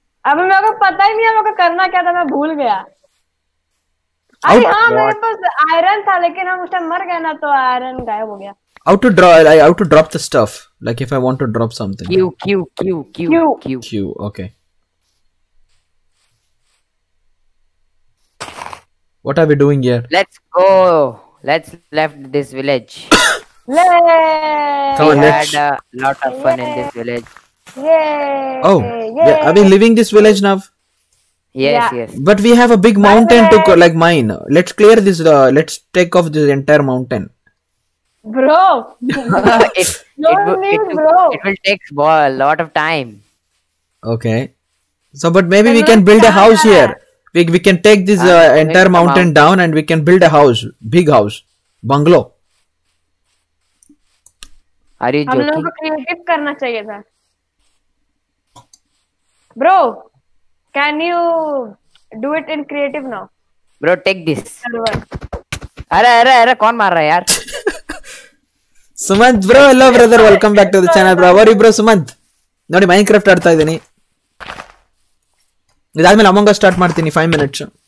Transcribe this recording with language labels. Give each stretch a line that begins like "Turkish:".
Hindi: अब मेरे को पता ही नहीं है मेरे को करना क्या था, मैं भूल गया. अरे हाँ, मेरे पास आयरन था, लेकिन हम उस टाइम मर गए ना, तो आयरन गायब हो गया.
English: How to draw? How to drop the stuff? Like if I want to drop something. Q. Okay. What are we doing here? Let's go. Let's left this village. Come on, let's. We had a lot of fun in this village. Yay! Oh, yeah. Are we leaving this village now? Yes. But we have a big mountain to mine. Let's clear this. Let's take off this entire mountain. Bro, it will take a lot of time. Okay. So, but maybe we can build a house here. We can take this entire mountain down, and we can build a house, big house, bungalow. Are you joking?
Hindi: हम लोगों को creative करना चाहिए था.
English: bro, can you do it in creative now? Bro, take this.
Hindi: Arre arre arre, kon maar raha yaar?
English: Sumant bro, hello brother, welcome back to the channel, bro. How are you, bro?
Kannada: Sumant, nodi Minecraft aadta idini. ಇದಾದ ಮೇಲೆ ಅಮಂಗ start ಮಾಡ್ತೀನಿ 5 minutes.